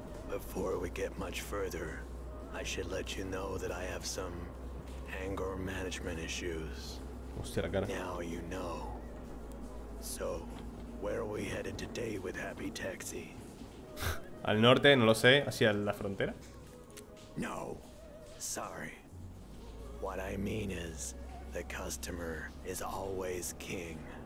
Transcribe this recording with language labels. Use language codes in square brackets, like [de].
[en] Before we get much further, I should let you know that I have some anger management issues. [es] Hostia, la cara. [en] Now you know. So, where are we headed today with Happy Taxi? [es] Al norte, no lo sé, hacia la frontera. [en] No. Sorry. What I mean is the customer is always king.